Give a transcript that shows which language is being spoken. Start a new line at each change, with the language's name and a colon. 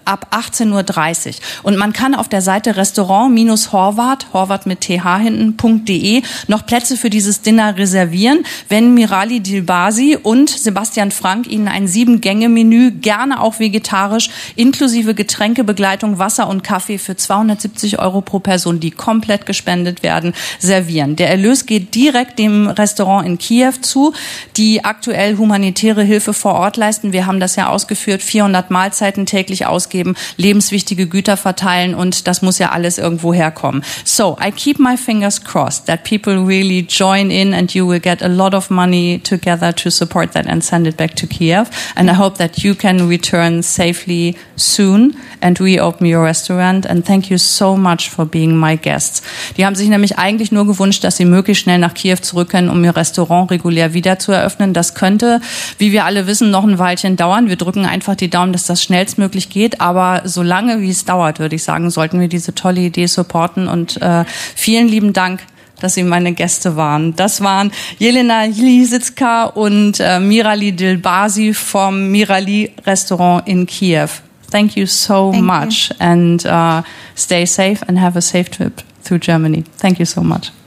German: ab 18.30 Uhr. Und man kann auf der Seite restaurant-horvath mit TH hinten.de noch Plätze für dieses Dinner reservieren, wenn Mirali Dilbazi und Sebastian Frank Ihnen ein 7-Gänge-Menü, gerne auch vegetarisch, inklusive Getränkebegleitung, Wasser und Kaffee für 270 Euro pro Person, die komplett gespendet werden, servieren. Der Erlös geht direkt dem Restaurant in Kiew zu, die aktuell humanitäre Hilfe vor Ort leisten. Wir haben das ja ausgeführt, 400 Mahlzeiten täglich ausgeben, lebenswichtige Güter verteilen, und das muss ja alles irgendwo herkommen.
English: So, I keep my fingers crossed that people really join in and you will get a lot of money together to support that and send it back to Kiev. And I hope that you can return safely soon and reopen your restaurant. And thank you so much for being my guests.
German: Die haben sich nämlich eigentlich nur gewünscht, dass sie möglichst schnell nach Kiew zurück können, um ihr Restaurant regulär wieder zu eröffnen. Das könnte, wie wir alle wissen, noch ein Weilchen dauern. Wir drücken einfach die Daumen, dass das schnellstmöglich geht. Aber solange wie es dauert, würde ich sagen, sollten wir diese tolle Idee supporten. Und vielen lieben Dank, dass sie meine Gäste waren. Das waren Jelena Lisitska und Mirali Dilbazi vom Mirali Restaurant in Kiew.
English: Thank you so much. And stay safe and have a safe trip through Germany. Thank you so much.